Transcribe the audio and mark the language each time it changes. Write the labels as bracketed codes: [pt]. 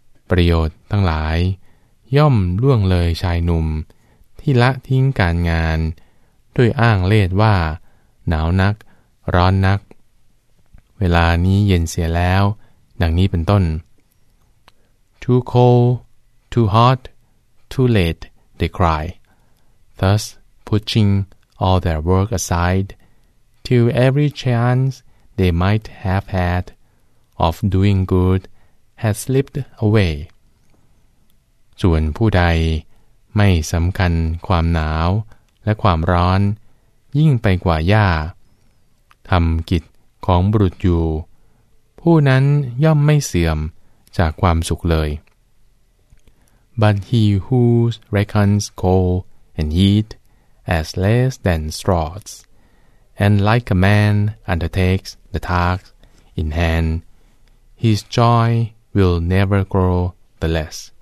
[th] ประโยชน์ทั้งหลายย่อมล่วงเลยชายหนุ่มที่ละทิ้งการงานด้วยอ้างเล่ห์ว่าหนาวนักร้อนนักเวลานี้เย็นเสียแล้วดังนี้เป็นต้น [en] Too cold, too hot, too late, they cry. Thus, pushing all their work aside, till every chance they might have had of doing good has slipped away. [th] ส่วนผู้ใดไม่สำคัญความหนาวและความร้อนยิ่งไปกว่าหญ้าทำกิจของบุรุษอยู่ผู้นั้นย่อมไม่เสื่อมจากความสุขเลย [en] But he who reckons cold and heat as less than straws and like a man undertakes the task in hand his joy will never grow the less